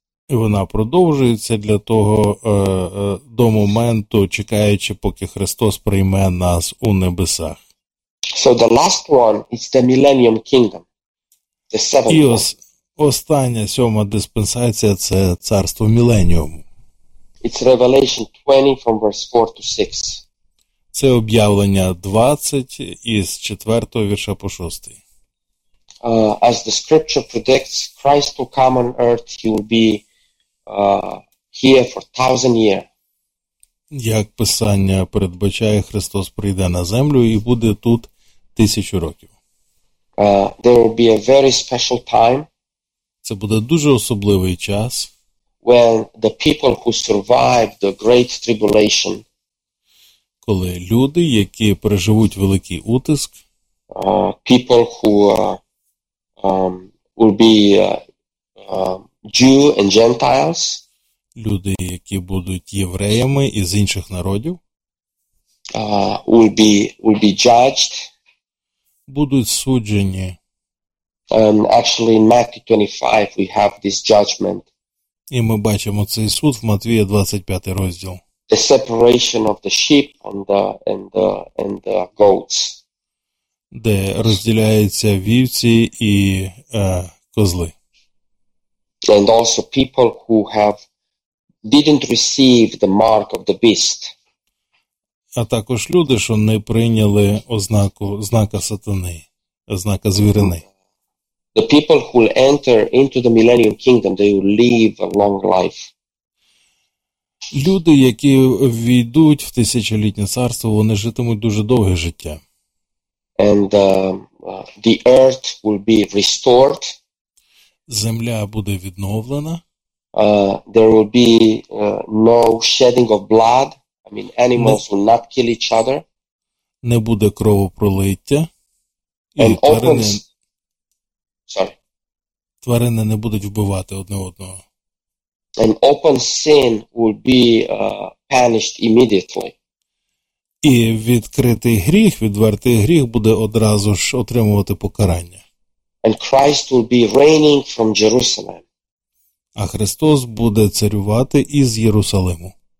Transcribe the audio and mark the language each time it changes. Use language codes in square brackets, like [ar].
[uk] І вона продовжується для того до моменту, чекаючи, поки Христос прийме нас у небесах. [en] So the last one is the Millennium Kingdom. The seventh. [uk] І остання сьома диспенсація це царство міленіуму. [en] It's Revelation 20 from verse 4 to 6. [uk] Це об'явлення 20 із 4-го вірша по 6. [en] As the scripture predicts, Christ will come on earth, he will be here for 1000 years. [uk] Як писання передбачає, Христос прийде на землю і буде тут 1000 років. [en] There will be a very special time. [uk] Це буде дуже особливий час. [en] When the people who survived the great tribulation, [uk] коли люди, які переживуть великий утиск, [en] people who will be Jew and Gentiles, [uk] люди, які будуть євреями із інших народів, [en] will be judged, [uk] будуть суджені. [en] Actually in Matthew 25 we have this judgment. [uk] І ми бачимо цей суд в Матвія 25 розділ. [en] The separation of the sheep and the goats. [uk] Де розділяються вівці і козли. [en] And also people who didn't receive the mark of the beast. [uk] А також люди, що не прийняли знака сатани, знака звірини. [en] The people who will enter into the Millennium Kingdom, they will live a long life. [uk] Люди, які війдуть в тисячолітнє царство, вони житимуть дуже довге життя. [en] And the earth will be restored. [uk] Земля буде відновлена. [en] There will be no shedding of blood. I mean, animals will not kill each other. [uk] Не буде кровопролиття. [en] And opens. Sorry. [uk] Тварини не будуть вбивати одне одного. [en] An open sin will be punished immediately. [uk] І відкритий гріх, відвертий гріх буде одразу ж отримувати покарання. [en] And Christ will be reigning from Jerusalem. [uk] А Христос буде царювати із Єрусалиму.